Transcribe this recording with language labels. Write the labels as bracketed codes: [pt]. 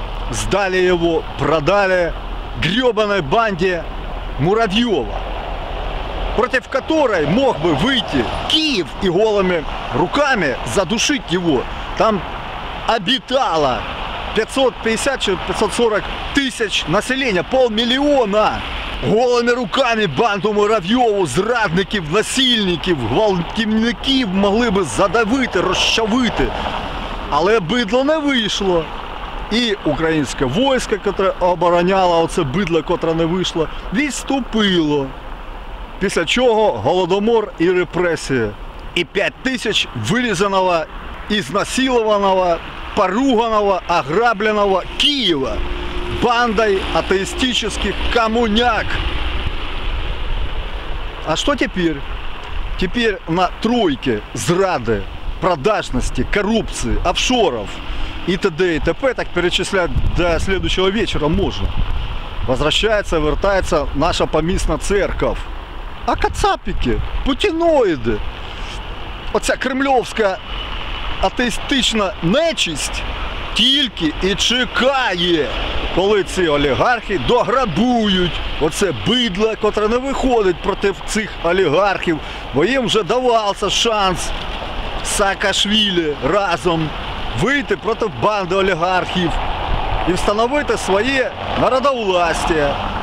[ru] Сдали его, продали грёбаной банде Муравьева, против которой мог бы выйти Киев и голыми руками задушить его. Там обитало 550-540 тысяч населения, 500 000. Голыми руками банду Муравьеву [uk] зрадників, насильників, гвалтівників [ru] могли бы [uk] задавити, розчавити. Але бидло не вийшло. І українське військо, яке обороняло оце бидло, котре не вийшло, відступило. Після чого голодомор і репресії. І 5 тисяч вирізаного, ізнасилованого, поруганого, ограбленого Києва [ru] бандой атеистических коммуняк. А что теперь? Теперь на тройке зрады, продажности, коррупции, офшоров и т.д. и т.п. так перечислять до следующего вечера можно. Возвращается, вертается наша помісна церковь. [uk] А кацапики, путиноиды, оця [ru] кремлевская атеистичная нечисть [uk] тільки и чекає, коли ці олігархи дограбують оце бидло, котре не виходить проти цих олігархів, бо їм вже давався шанс Саакашвілі разом вийти проти банди олігархів і встановити своє народовластя.